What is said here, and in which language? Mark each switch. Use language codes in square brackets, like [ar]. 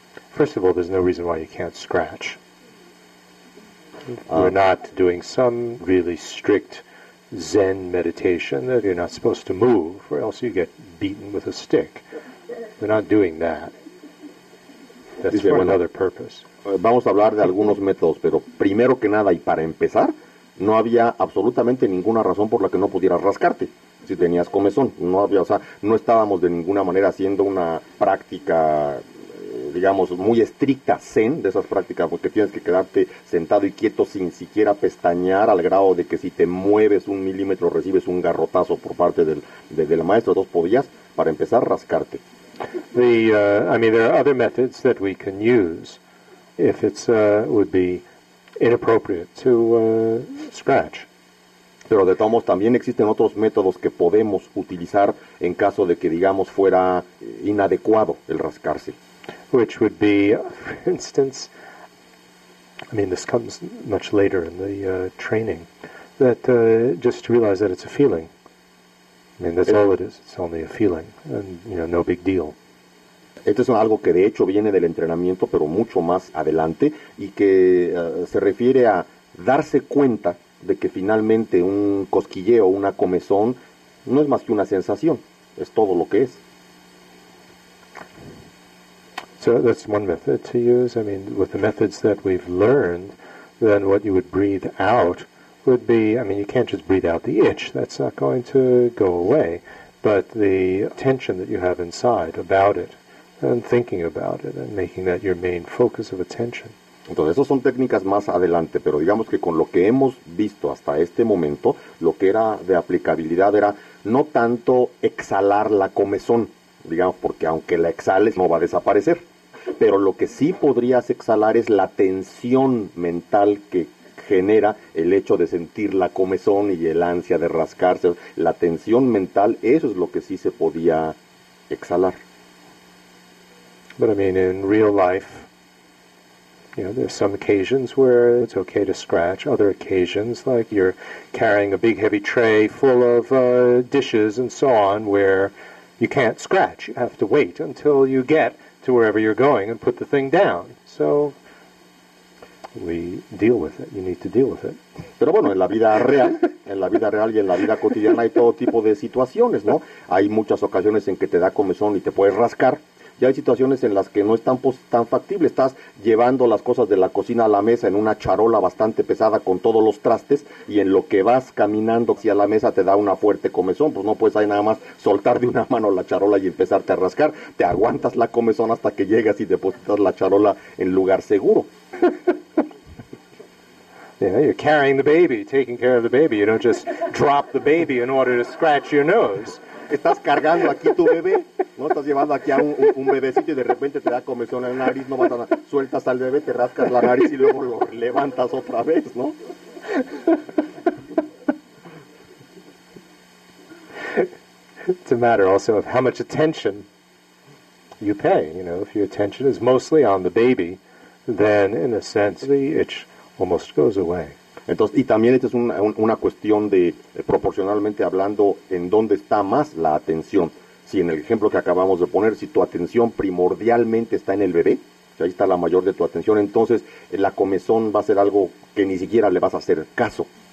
[en] First of all, there's no reason why you can't scratch. You're not doing some really strict Zen meditation that you're not supposed to move or else you get beaten with a stick. We're not doing that. That's [es] Dice, [en] for [es] bueno, [en] another purpose. [es] Vamos a hablar de algunos métodos, pero primero que nada y para empezar, no había absolutamente ninguna razón por la que no pudieras rascarte. si tenías comezón. No había, o sea, no estábamos de ninguna manera haciendo una práctica, digamos, muy estricta zen, de esas prácticas, porque tienes que quedarte sentado y quieto sin siquiera pestañear, al grado de que si te mueves un milímetro recibes un garrotazo por parte del maestro. Entonces podías, para empezar, rascarte. [en] There are other methods that we can use if it's would be inappropriate to scratch. [es] Pero de todos modos también existen otros métodos que podemos utilizar en caso de que, digamos, fuera inadecuado el rascarse. [en] Which would be, for instance, this comes much later in the training, that just to realize that it's a feeling. That's all it is. It's only a feeling, and no big deal. [es] Esto es algo que de hecho viene del entrenamiento, pero mucho más adelante, y que se refiere a darse cuenta de que finalmente un cosquilleo, una comezón, no es más que una sensación, es todo lo que es. [en] So that's one method to use. With the methods that we've learned, then what you would breathe out would be, you can't just breathe out the itch, that's not going to go away, but the tension that you have inside about it, and thinking about it, and making that your main focus of attention. [es] Entonces, esas son técnicas más adelante, pero digamos que con lo que hemos visto hasta este momento, lo que era de aplicabilidad era no tanto exhalar la comezón, digamos, porque aunque la exhales no va a desaparecer, pero lo que sí podrías exhalar es la tensión mental que genera el hecho de sentir la comezón y el ansia de rascarse. La tensión mental, eso es lo que sí se podía exhalar. [en] But in real life, there's some occasions where it's okay to scratch. Other occasions, like you're carrying a big heavy tray full of dishes and so on, where you can't scratch. You have to wait until you get to wherever you're going and put the thing down. So we deal with it. You need to deal with it. [es] Pero bueno, en la vida real y en la vida cotidiana hay todo tipo de situaciones, ¿no? Hay muchas ocasiones en que te da comezón y te puedes rascar. Ya hay situaciones en las que no es tan factible. Estás llevando las cosas de la cocina a la mesa en una charola bastante pesada con todos los trastes, y en lo que vas caminando hacia la mesa te da una fuerte comezón. Pues no puedes ahí nada más soltar de una mano la charola y empezarte a rascar. Te aguantas la comezón hasta que llegas y depositas la charola en lugar seguro. [en] You're carrying the baby, taking care of the baby. You don't just drop the baby in order to scratch your nose. [es] Estás cargando aquí tu bebé, no estás llevando aquí a un bebecito, y de repente te da comezón en la nariz, no vas a sueltas al bebé, te rascas la nariz y luego lo levantas otra vez, ¿no? [en] It's a matter also of how much attention you pay. If your attention is mostly on the baby, then in a sense the itch almost goes away. [es] Entonces, y también esta es una cuestión de, proporcionalmente hablando, en dónde está más la atención. Si en el ejemplo que acabamos de poner, si tu atención primordialmente está en el bebé, si ahí está la mayor de tu atención, entonces la comezón va a ser algo que ni siquiera le vas a hacer caso.